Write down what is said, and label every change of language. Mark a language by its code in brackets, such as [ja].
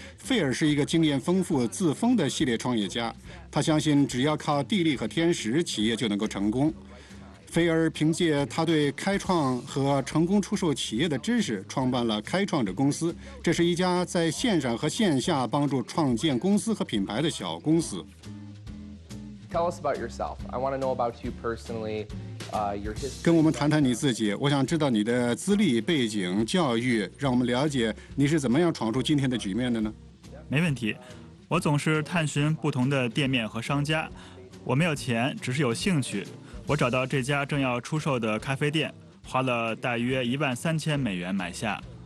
[zh] 费尔是一个经验丰富自封的系列创业家，他相信只要靠地利和天时，企业就能够成功。菲尔凭借他对开创和成功出售企业的知识，创办了开创者公司，这是一家在线上和线下帮助创建公司和品牌的小公司。 [en] Tell us about yourself. I want to know about you personally, your history. [zh] 跟我们谈谈你自己，我想知道你的资历、背景、教育，让我们了解你是怎么样闯出今天的局面的呢？没问题，我总是探寻不同的店面和商家。我没有钱，只是有兴趣。我找到这家正要出售的咖啡店，花了大约$13,000买下。